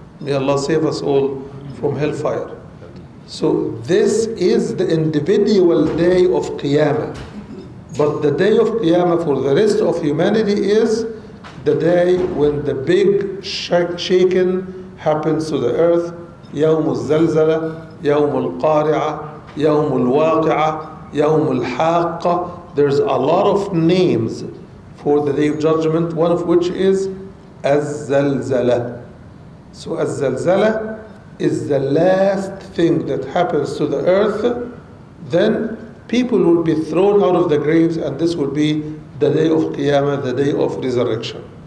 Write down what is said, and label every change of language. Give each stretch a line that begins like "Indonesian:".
English: May Allah save us all from hellfire. So this is the individual day of qiyamah. But the day of Qiyamah for the rest of humanity is the day when the big shaking happens to the earth.
Arabic: يوم الزلزلة, يوم القارعة, يوم الواقعة, يوم الحاقة.
English: There's a lot of names for the day of judgment, one of which is الزلزلة. So الزلزلة is the last thing that happens to the earth, then people will be thrown out of the graves, and this will be the day of Qiyamah, the day of resurrection.